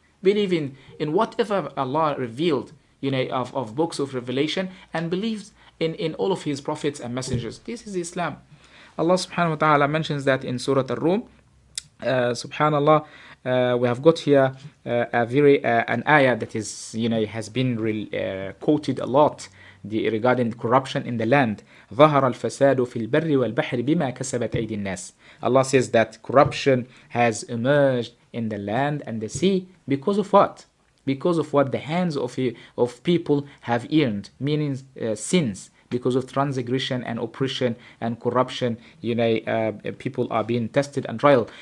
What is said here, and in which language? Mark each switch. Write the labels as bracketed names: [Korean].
[English] Believe in whatever Allah revealed, you know, of books of revelation, and believe in all of His prophets and messengers. This is Islam. Allah subhanahu wa ta'ala mentions that in Surah Ar-Rum. Subhanallah, we have got here an ayah that is, you know, has been quoted a lot regarding corruption in the land. [Arabic] ظهر الفساد في البر والبحر بما كسبت أيدي الناس. [English] Allah says that corruption has emerged in the land and the sea because of what? Because of what the hands of people have earned, meaning sins. Because of transgression and oppression and corruption, you know, people are being tested and trialed.